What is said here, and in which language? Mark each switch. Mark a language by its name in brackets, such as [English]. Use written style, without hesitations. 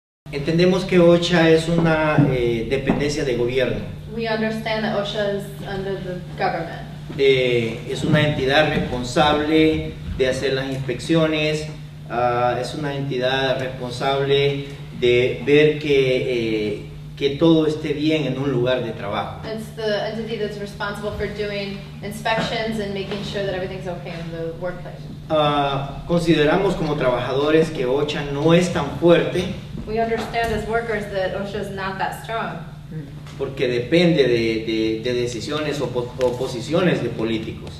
[Spanish] Entendemos que OSHA es una dependencia de gobierno. [English] We understand that OSHA is under the government. [Spanish] Es una entidad responsable de hacer las inspecciones. Es una entidad responsable de ver que todo esté bien en un lugar de trabajo. [English] It's the entity that's responsible for doing inspections and making sure that everything's okay in the workplace. [Spanish] Consideramos como trabajadores que OSHA no es tan fuerte. [English] We understand as workers that OSHA is not that strong. [Spanish] Porque depende de decisiones o posiciones de políticos.